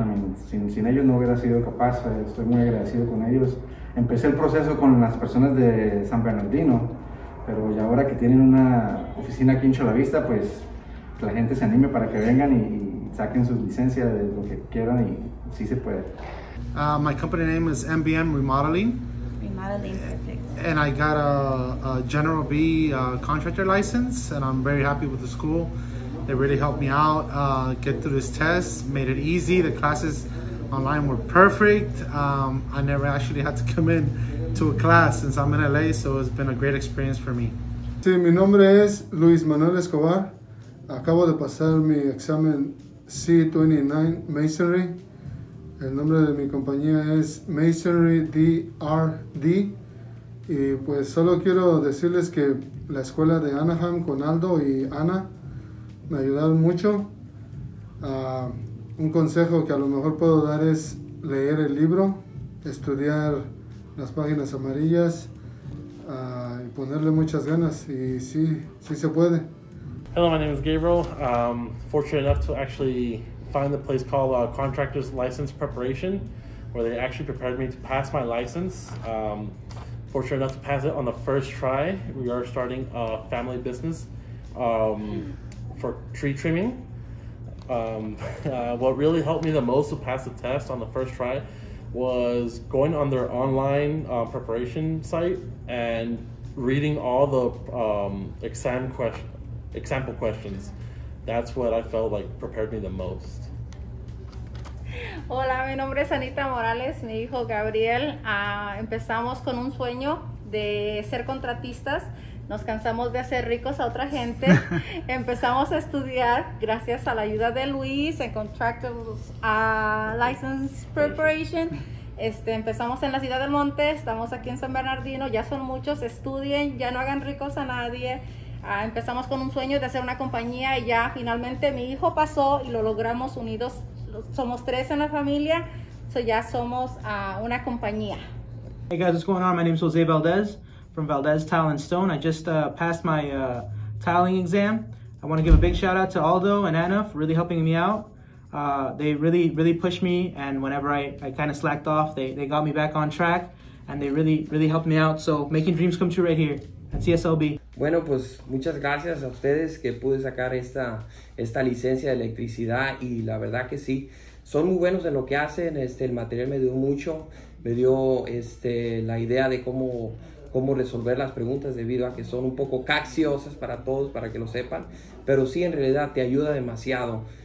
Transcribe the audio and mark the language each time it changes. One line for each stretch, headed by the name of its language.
English: I mean,
Spanish: sin ellos no hubiera sido capaz. Estoy muy agradecido con ellos. Empecé el proceso con las personas de San Bernardino, pero ya ahora que tienen una oficina aquí en Chula Vista, pues que la gente se anime para que vengan y saquen sus licencias de lo que quieran y sí se puede.
English: My company name is MBM Remodeling. Remodeling, perfect. And I got a General B contractor license, and I'm very happy with the school. They really helped me out get through this test, made it easy. The classes online were perfect. I never actually had to come in to a class since I'm in LA, so it's been a great experience for me.
Spanish: Sí, mi nombre es Luis Manuel Escobar. Acabo de pasar mi examen C29 Masonry. El nombre de mi compañía es Masonry DRD. Y pues solo quiero decirles que la escuela de Anaheim con Aldo y Ana me ayudaron mucho. Un consejo que a lo mejor puedo dar es leer el libro, estudiar las páginas amarillas y ponerle muchas ganas. Y sí, sí se puede.
English: Hello, my name is Gabriel. Fortunate enough to actually find the place called Contractors License Preparation, where they actually prepared me to pass my license. Fortunate enough to pass it on the first try. We are starting a family business for tree trimming. What really helped me the most to pass the test on the first try was going on their online preparation site and reading all the example questions. That's what I felt like prepared me the most.
Spanish: Hola, mi nombre es Anita Morales, mi hijo Gabriel. Empezamos con un sueño de ser contratistas. Nos cansamos de hacer ricos a otra gente. Empezamos a estudiar gracias a la ayuda de Luis en Contractors License Preparation. Empezamos en la ciudad del Monte, estamos aquí en San Bernardino. Ya son muchos, estudien, ya no hagan ricos a nadie. Empezamos con un sueño de hacer una compañía y ya finalmente mi hijo pasó y lo logramos unidos. Somos tres en la familia, so ya somos una compañía.
English: Hey guys, what's going on? My name is Jose Valdez from Valdez Tile and Stone. I just passed my tiling exam. I want to give a big shout out to Aldo and Anna for really helping me out. They really, really pushed me, and whenever I kind of slacked off, they got me back on track, and they really, really helped me out. So making dreams come true right here at CSLB.
Spanish: Bueno, pues muchas gracias a ustedes que pude sacar esta licencia de electricidad, y la verdad que sí, son muy buenos en lo que hacen. El material me dio mucho, me dio la idea de cómo resolver las preguntas, debido a que son un poco capciosas para todos, para que lo sepan, pero sí, en realidad te ayuda demasiado.